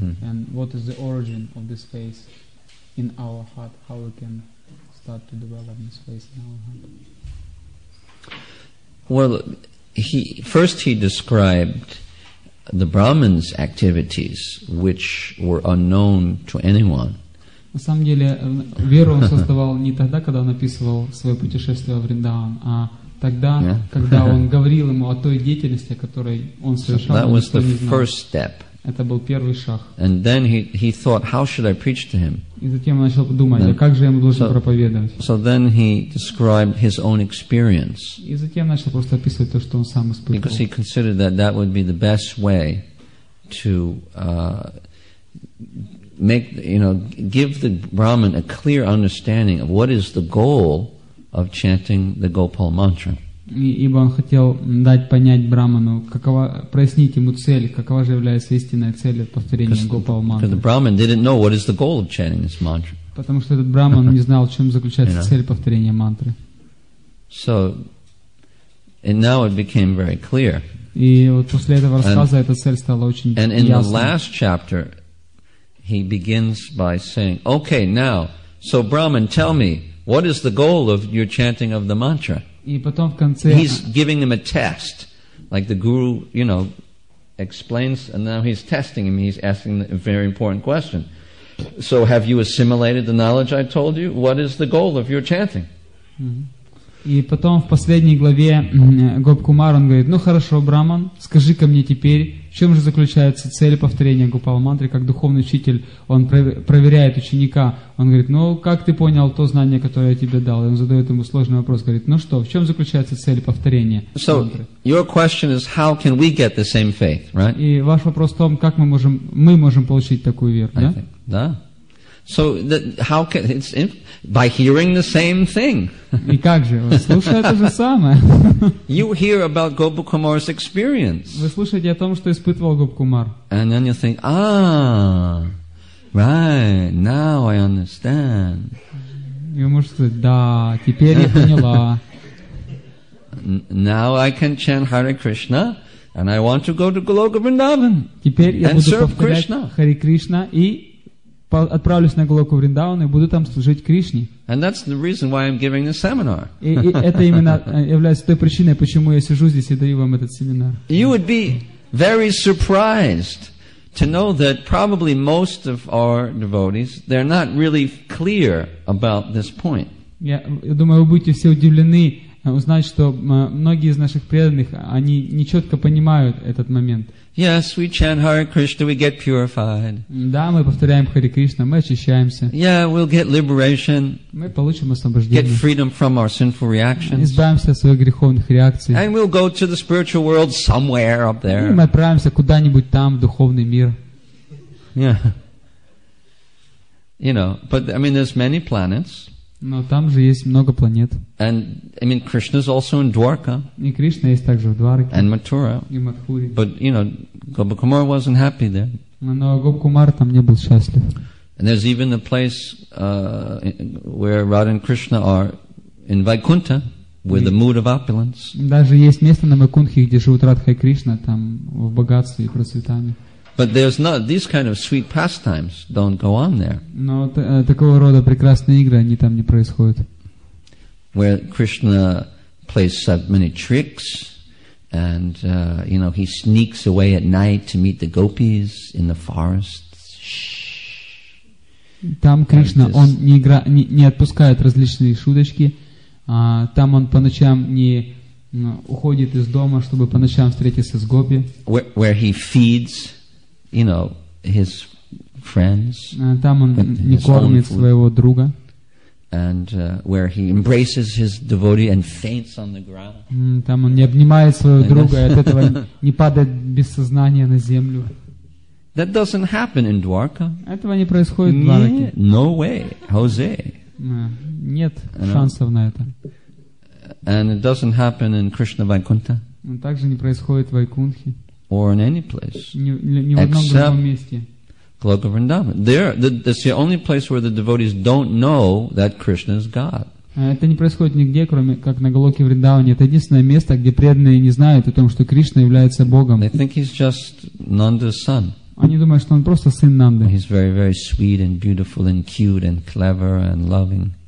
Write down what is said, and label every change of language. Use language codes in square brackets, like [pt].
[en] And what is the origin of this face in our heart? How we can start to develop this face in our heart? Well, he described the Brahman's activities, which were unknown to anyone. [ru] На самом деле, веру он создавал не тогда, когда он описывал свое путешествие в Вриндаван, а тогда, когда он говорил ему о той деятельности, которой он совершал, никто не знал. [en] That was the first step. [ru] Это был первый шаг. [en] And then he thought, how should I preach to him? [ru] И затем он начал думать, а как же я ему должен проповедовать? [en] So then he described his own experience. [ru] И затем начал просто описывать то, что он сам испытывал. [en] Because he considered that would be the best way to make, give the Brahman a clear understanding of what is the goal of chanting the Gopal mantra. [ru] Ибо он хотел дать понять Браману, прояснить ему цель, какова же является истинная цель повторения Гопал мантры. [en] Because the Brahman didn't know what is the goal of chanting this mantra. [ru] Потому что этот Браман не знал, в чем заключается цель повторения мантры. [en] So, and now it became very clear. [ru] И вот после этого рассказа эта цель стала очень ясной. [en] And in the last chapter, he begins by saying, "Okay, now, so Brahman, tell me, what is the goal of your chanting of the mantra?" [ru] И потом в конце [en] he's giving him a test, like the guru, explains, and now he's testing him. He's asking a very important question. So, have you assimilated the knowledge I told you? What is the goal of your chanting? [ru] И потом в последней главе Гоп Кумар он говорит: "Ну хорошо, Браман, скажи ко мне теперь, в чем же заключается цель повторения Гопал мантры?" Как духовный учитель, он проверяет ученика. Он говорит: "Ну как ты понял то знание, которое я тебе дал?" И он задает ему сложный вопрос. Говорит: "Ну что, в чем заключается цель повторения мантры?" [en] So your question is, how can we get the same faith, right? [ru] И ваш вопрос в том, как мы можем получить такую веру, да? Да. [en] So how can it's in, by hearing the same thing? [ru] И как же? Вы слушаете то же самое. [en] You hear about Gopal Kumar's experience. [ru] Вы слушаете о том, что испытывал Гоп Кумар. [en] And then you think, right, now I understand. [ru] И вы можете сказать, да, теперь я поняла. [en] Now I can chant Hare Krishna. And I want to go to Goloka Vrindavan. [ru] Теперь я буду повторять Hare Krishna и отправлюсь на Голоку Вриндаван и буду там служить Кришне. [en] And that's the reason why I'm giving this seminar. [ru] И это именно является той причиной, почему я сижу здесь и даю вам этот семинар. [en] You would be very surprised to know that probably most of our devotees, they're not really clear about this point. [ru] Я думаю, вы будете все удивлены узнать, что многие из наших преданных, они не четко понимают этот момент. [en] Yes, we chant Hare Krishna, we get purified. [ru] Да, мы повторяем Харе Кришна, мы очищаемся. [en] Yeah, we'll get liberation. [ru] Мы получим освобождение. [en] Get freedom from our sinful reactions. [ru] Избавимся от своих греховных реакций. [en] And we'll go to the spiritual world somewhere up there. [ru] И мы отправимся куда-нибудь там, в духовный мир. [en] Yeah. You know, but I mean, there's many planets. [ru] Но там же есть много планет. [en] And I mean, Krishna's also in Dwarka. [ru] И Кришна есть также в Дварке. [en] And Mathura. [ru] И Матхуре. [en] But you know, Gopa Kumar wasn't happy there. [ru] Но Гопа Кумар там не был счастлив. [en] And there's even the place where Radha and Krishna are in Vaikuntha, with the mood of opulence. [ru] Даже есть место на Вайкунтхе, где живут Радха и Кришна, там в богатстве и процветании. [en] But there's not these kind of sweet pastimes don't go on there. [ru] Но такого рода прекрасные игры они там не происходят. [en] Where Krishna plays so many tricks, and you know he sneaks away at night to meet the gopis in the forests. [ru] Там Кришна он не отпускает различные шуточки, а там он по ночам не уходит из дома, чтобы по ночам встретиться с гопи. [en] Where he feeds. You know his friends. [ru] Там он не кормит своего друга. [en] And where he embraces his devotee and faints on the ground. [ru] Там он не обнимает своего друга и от этого не падает без сознания на землю. [en] That doesn't happen in Dwarka. [ru] Этого не происходит в Дварке. [en] No way, Jose. [ru] Нет шансов на это. [en] And it doesn't happen in Krishna Vaikuntha. [ru] Также не происходит в Вайкунтхе. [en] Or in any place, except Goloka Vrindavan. There, that's the only place where the devotees don't know that Krishna is God. [ru] Это не происходит нигде, кроме как на Голоке Вриндаване. Это единственное место, где преданные не знают о том, что Кришна является Богом. They think he's just Nanda's son. Они думают, что он просто сын Нанды. [en] He's very, very sweet and beautiful and cute and clever and loving.